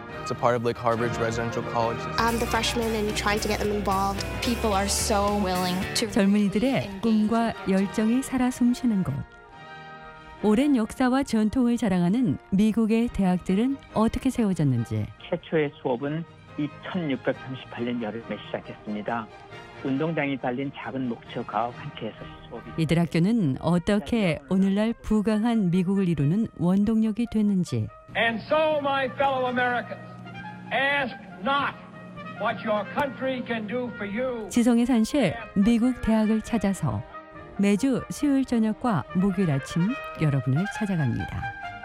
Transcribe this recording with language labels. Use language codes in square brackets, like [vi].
[en] It's a part of Lake Harbor's residential college. I'm the freshman and trying to get them involved. People are so willing to [ko] 젊은이들의 꿈과 열정이 살아 숨쉬는 곳. 오랜 역사와 전통을 자랑하는 미국의 대학들은 어떻게 세워졌는지. 최초의 수업은 2638년 여름에 시작했습니다. 운동장이 달린 작은 목초가 함께해서 이들 학교는 어떻게 오늘날 부강한 미국을 이루는 원동력이 됐는지. [en] And so my fellow Americans, ask not what your country can do for you. [ko] 지성의 산실 미국 대학을 찾아서 매주 수요일 저녁과 목요일 아침 여러분을 찾아갑니다.